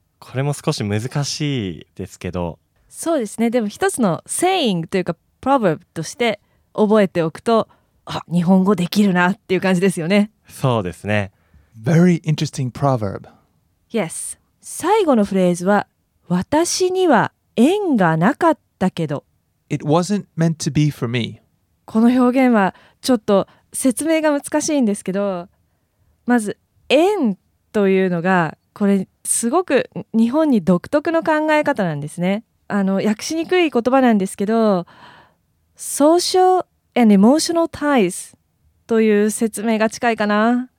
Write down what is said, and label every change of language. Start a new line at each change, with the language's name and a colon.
Japanese: これも少し難しいですけど。そうですね。でも一つの saying というか proverb として覚えておくと、あ、日本語できるなっていう感じですよね。そうですね。
English: Very interesting proverb. Yes.
Japanese: 最後のフレーズは、私には縁がなかったけど、
English: It wasn't meant to be for me.
Japanese: この表現はちょっと説明が難しいんですけど、まず縁というのがこれすごく日本に独特の考え方なんですね。訳しにくい言葉なんですけど、
English: social and emotional ties
Japanese: という説明が近いかな。